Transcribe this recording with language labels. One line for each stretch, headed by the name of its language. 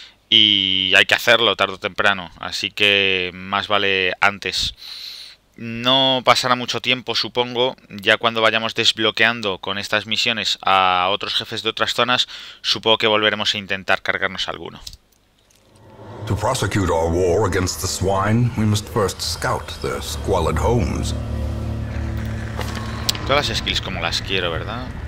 Spanish: Y hay que hacerlo tarde o temprano, así que más vale antes. No pasará mucho tiempo, supongo. Ya cuando vayamos desbloqueando con estas misiones a otros jefes de otras zonas, supongo que volveremos a intentar cargarnos alguno.
English: To prosecute our war against the swine, we must first scout their squalid homes.
Spanish: Todas las skills como las quiero, ¿verdad?